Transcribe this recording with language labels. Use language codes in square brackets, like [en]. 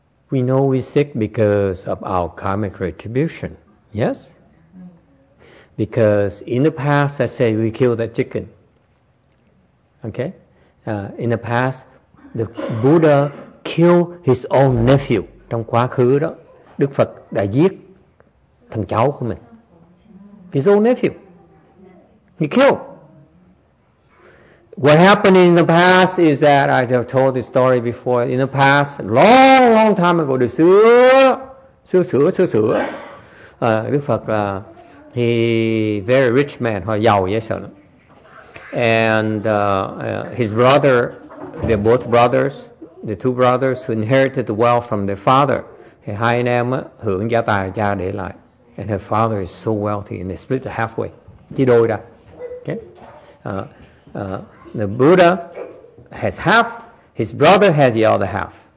[en] we know we're sick because of our karmic retribution, yes? Because in the past, let's say we killed that chicken, okay? In the past, the Buddha killed his own nephew. [vi] Trong quá khứ đó, Đức Phật đã giết thằng cháu của mình. [en] His own nephew. He killed. What happened in the past is that I have told this story before. In the past, long, long time ago, [vi] Đức Phật là [en] he very rich man, [vi] họ giàu dễ sợ lắm. [en] And his brother, they're both brothers, the two brothers who inherited the wealth from their father. [vi] Thì hai anh em hưởng gia tài cha để lại. [en] And her father is so wealthy, and they split it halfway. [vi] Chia đôi ra. [en] Okay. The Buddha has half, his brother has the other half.